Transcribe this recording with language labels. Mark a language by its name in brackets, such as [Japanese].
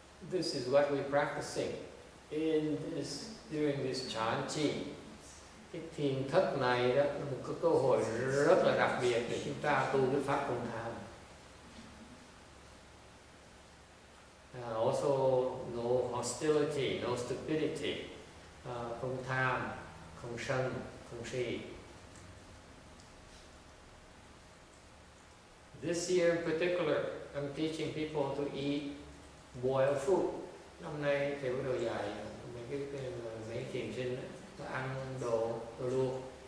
[English] This is what we're practicing in this during this chan chi. [Vietnamese] Cái thiền thất này đó là một cái cơ hội rất là đặc biệt để chúng ta tu cái pháp không tham. [English] Also no hostility, no stupidity. [Vietnamese] Không tham, không sân, không si. [English] This year in particular, I'm teaching people to eat boiled food. [Vietnamese] Năm nay thầy bắt đầu dạy mấy thiền sinh đó, ăn đồ luộc.